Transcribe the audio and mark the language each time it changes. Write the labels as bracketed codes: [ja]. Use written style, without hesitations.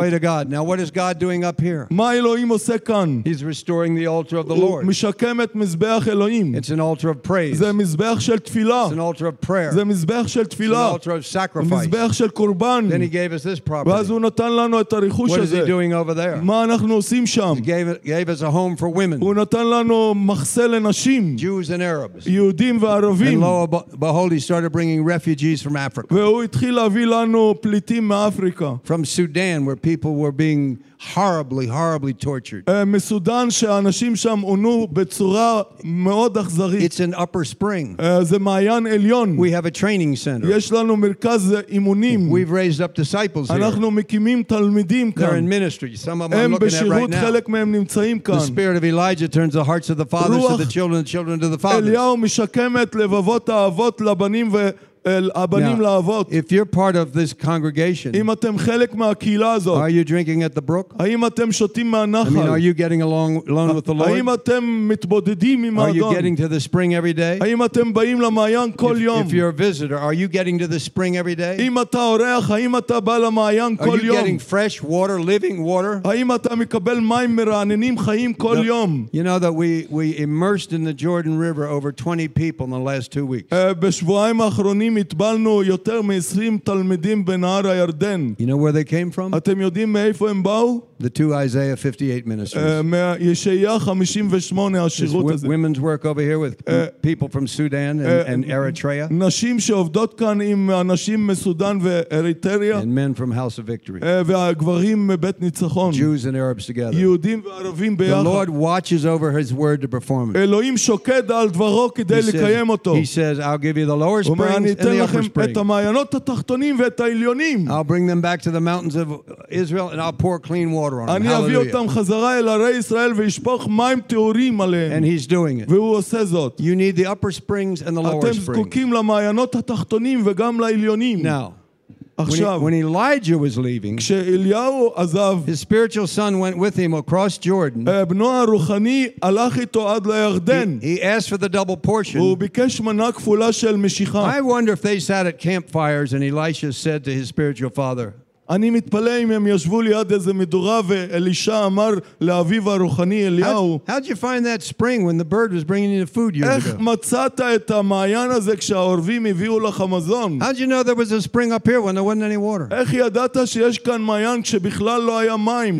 [en] Glory to God. Now, what is God doing up here? [he] מה אלוהים עושה כאן? [en] He's restoring the altar of the Lord. [he] הוא משקם את מזבח אלוהים. [en] It's an altar of praise. [he] זה מזבח של תפילה. [en] It's an altar of prayer. [he] זה מזבח של תפילה. [en] It's an altar of sacrifice. [he] מזבח של קורבן. [en] Then he gave us this property. What is he doing over there? He gave us a home for women. Jews and Arabs. And lo and behold, he started bringing refugees from Africa. From Sudan, where people were being horribly, horribly tortured. [he] מסודן שאנשים שם עונו בצורה מאוד אכזרית. [en] It's an upper spring. [he] זה מעיין עליון. [en] We have a training center. [he] יש לנו מרכז אימונים. [en] We've raised up disciples here. [he] אנחנו מקימים תלמידים כאן. [en] They're in ministry. Some of them are looking at right now. [he] הם בשירות, חלק מהם נמצאים כאן. [en] The spirit of Elijah turns the hearts of the fathers to the children, the children to the fathers. [he] אליהו משקם את לבבות האבות לבנים ו... [en] Now, if you're part of this congregation, are you drinking at the brook? I mean, are you getting along alone with the Lord? Are you getting to the spring every day? If you're a visitor, are you getting to the spring every day? Are you getting fresh water, living water? You know that we immersed in the Jordan River over 20 people in the last 2 weeks. [he] שנים התבלנו יותר מ-20 תלמידים בנהר הירדן. [en] You know where they came from? [he] אתם יודעים מאיפה הם באו? [en] The two Isaiah 58 ministries. [he] ישעיה 58 השירות הזה. [en] Women's work over here with people from Sudan and Eritrea. [he] נשים שעובדות כאן עם אנשים מסודן ואריתריה. [en] And men from House of Victory. [he] והגברים מבית ניצחון. [en] Jews and Arabs together. [he] יהודים וערבים ביחד. [en] The Lord watches over his word to perform it. [he] אלוהים שוקד על דברו כדי לקיים אותו. [en] He says, I'll give you the lower springs and the upper springs. [he] אני אתן לכם את המעיינות התחתונים ואת העליונים. [en] I'll bring them back to the mountains of Israel and I'll pour clean water. [he] אני אביא אותם חזרה אל ערי ישראל וישפוך מים טהורים עליהם. [en] And he's doing it. [he] והוא עושה זאת. [en] You need the upper springs and the lower springs. [he] אתם זקוקים למעיינות התחתונים וגם לעליונים. [en] Now. [he] עכשיו, [en] when Elijah was leaving, his spiritual son went with him across Jordan. [he] בנו הרוחני הלך איתו עד לירדן. [en] He asked for the double portion. [he] הוא ביקש מנה כפולה של משיכה. [en] I wonder if they sat at campfires and Elisha said to his spiritual father, [he] אני מתפלא אם הם ישבו ליד איזה מדורה ואלישע אמר לאביו הרוחני אליהו, [en] How'd you find that spring when the bird was bringing you the food years ago? [he] איך מצאת את המעיין הזה כשהעורבים הביאו לך מזון? [en] How'd you know there was a spring up here when there wasn't any water? [he] איך ידעת שיש כאן מעיין כשבכלל לא היה מים?